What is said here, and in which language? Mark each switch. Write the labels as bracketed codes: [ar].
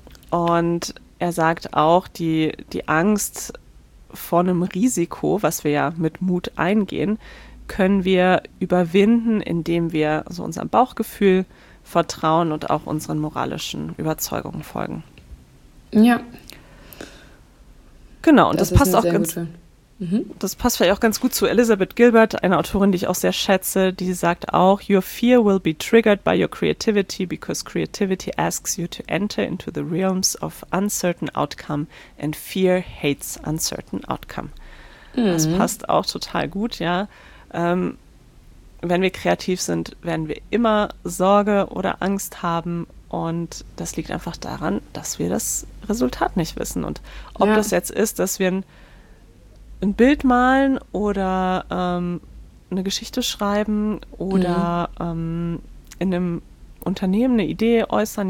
[de] Und er sagt auch, die Angst vor einem Risiko, was wir ja mit Mut eingehen, können wir überwinden, indem wir so unserem Bauchgefühl vertrauen und auch unseren moralischen Überzeugungen folgen. Ja. Genau, und das passt auch ganz gut. Das passt vielleicht auch ganz gut zu Elizabeth Gilbert, eine Autorin, die ich auch sehr schätze. Die sagt auch, [en] your fear will be triggered by your creativity, because creativity asks you to enter into the realms of uncertain outcome, and fear hates uncertain outcome. [de] Das passt auch total gut, ja. Wenn wir kreativ sind, werden wir immer Sorge oder Angst haben. Und das liegt einfach daran, dass wir das Resultat nicht wissen. Und ob das jetzt ist, dass wir ein Bild malen oder eine Geschichte schreiben oder in einem Unternehmen eine Idee äußern.